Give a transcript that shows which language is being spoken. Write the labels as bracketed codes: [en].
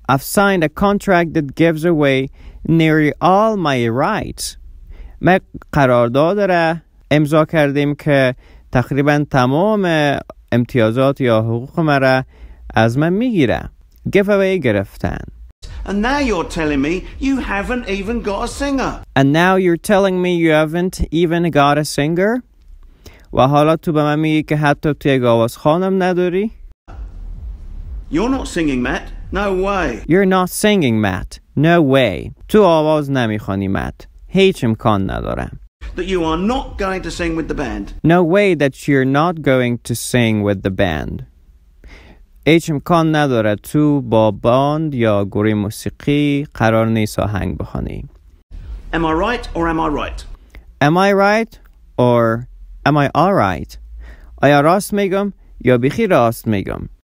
[en] I've signed a contract that gives away nearly all my rights. [fa] ما قرارداد را امضا کردیم که تقریبا تمام امتیازات یا حقوق مرا از من میگیره. [en] Give away [fa] گرفتن. [en] And now you're telling me you haven't even got a singer. And now you're telling me you haven't even got a singer? [fa] و حالا تو به من میگی که حتی توی گاوازخانم نداری؟ [en] You're not singing, Matt. No way. You're not singing, Matt. No way. [fa] تو آواز نمیخوانی, [en] Matt. [fa] هیچ امکان ندارم. [en] That you are not going to sing with the band. No way that you're not going to sing with the band. [fa] هیچ امکان نداره تو با باند یا گروه موسیقی قرار نیست آهنگ بخونی. [en] Am I right or am I right? Am I right or am I all right? [fa] آیا راست میگم یا بیخی راست میگم؟